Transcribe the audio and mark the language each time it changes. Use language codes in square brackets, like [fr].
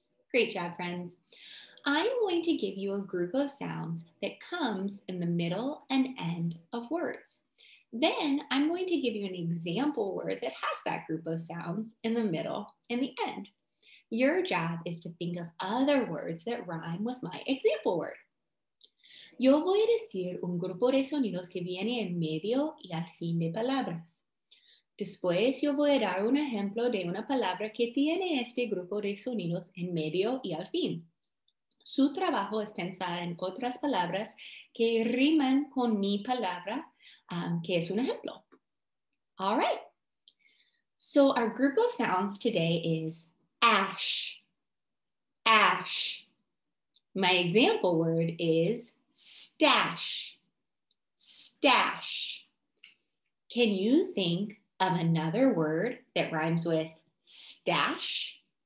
[en] Great job, friends. I'm going to give you a group of sounds that comes in the middle and end of words. Then I'm going to give you an example word that has that group of sounds in the middle and the end. Your job is to think of other words that rhyme with my example word. [es] Yo voy a decir un grupo de sonidos que viene en medio y al fin de palabras. Después yo voy a dar un ejemplo de una palabra que tiene este grupo de sonidos en medio y al fin. Su trabajo es pensar en otras palabras que riman con mi palabra, que es un ejemplo. [en] All right. So our group of sounds today is ash, ash. My example word is stash, stash. Can you think of another word that rhymes with stash?